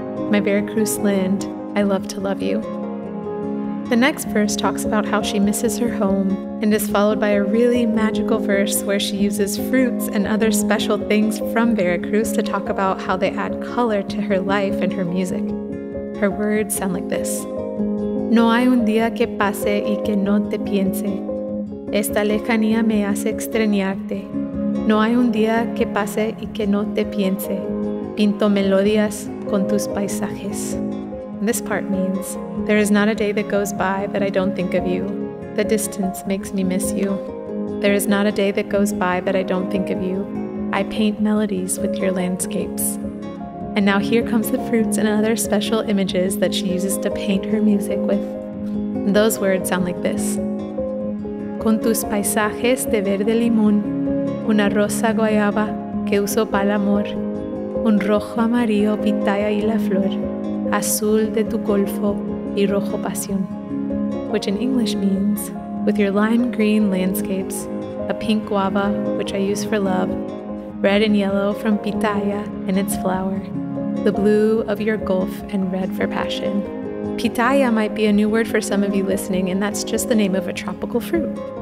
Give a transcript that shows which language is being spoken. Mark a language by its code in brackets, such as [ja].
[en] My Veracruz land, I love to love you. The next verse talks about how she misses her home and is followed by a really magical verse where she uses fruits and other special things from Veracruz to talk about how they add color to her life and her music. Her words sound like this. [es] No hay un día que pase y que no te piense. Esta lejanía me hace extrañarte. No hay un día que pase y que no te piense. Pinto melodías con tus paisajes. [en] This part means, there is not a day that goes by that I don't think of you. The distance makes me miss you. There is not a day that goes by that I don't think of you. I paint melodies with your landscapes. And now here comes the fruits and other special images that she uses to paint her music with. Those words sound like this. [es] Con tus paisajes de verde limón, una rosa guayaba que uso para el amor, un rojo amarillo pitaya y la flor, azul de tu golfo y rojo pasión. [en] Which in English means, with your lime green landscapes, a pink guava, which I use for love, red and yellow from pitaya and its flower, the blue of your gulf and red for passion. Pitaya might be a new word for some of you listening, and that's just the name of a tropical fruit.